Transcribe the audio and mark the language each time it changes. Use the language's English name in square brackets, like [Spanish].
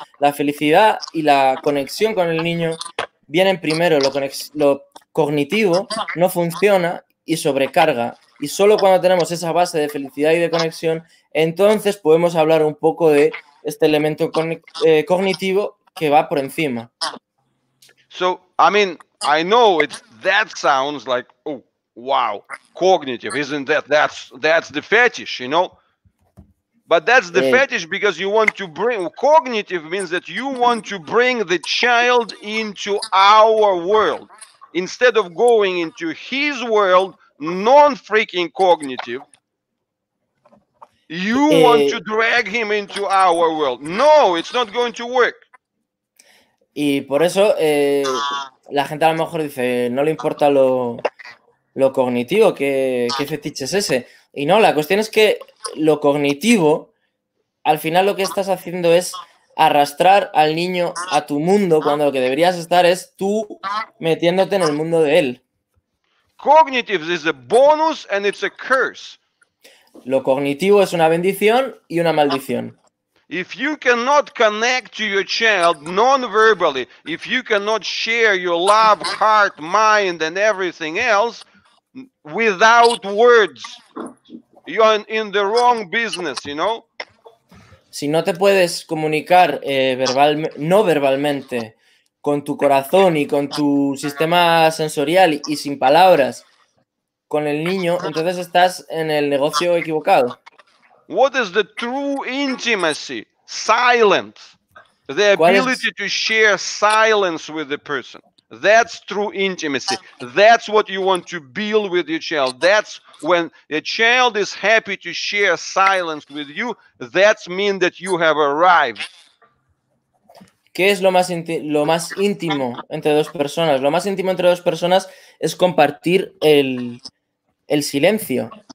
[Spanish] La felicidad y la conexión con el niño vienen primero. Lo cognitivo no funciona y sobrecarga. Y solo cuando tenemos esa base de felicidad y de conexión, entonces podemos hablar un poco de este elemento cognitivo que va por encima. [English] So, I mean, I know that sounds like, oh, wow, cognitive, isn't that, that's the fetish, you know? But that's the fetish because you want to bring, cognitive means that you want to bring the child into our world. Instead of going into his world, non-freaking cognitive, you want to drag him into our world. No, it's not going to work. [Spanish] Y por eso la gente a lo mejor dice, no le importa lo cognitivo, ¿qué fetiche es ese? Y no, la cuestión es que lo cognitivo, al final lo que estás haciendo es arrastrar al niño a tu mundo cuando lo que deberías estar es tú metiéndote en el mundo de él. [English] Cognitive is a bonus and it's a curse. [Spanish] Lo cognitivo es una bendición y una maldición. [English] If you cannot connect to your child non-verbally, if you cannot share your love, heart, mind and everything else without words, you're in the wrong business, you know? [Spanish] Si no te puedes comunicar no verbalmente con tu corazón y con tu sistema sensorial y sin palabras con el niño, entonces estás en el negocio equivocado. [English] What is the true intimacy? Silence. The ability to share silence with the person. That's true intimacy. That's what you want to build with your child. That's when a child is happy to share silence with you, that means that you have arrived. [Spanish] ¿Qué es lo más íntimo entre dos personas? Lo más íntimo entre dos personas es compartir el silencio.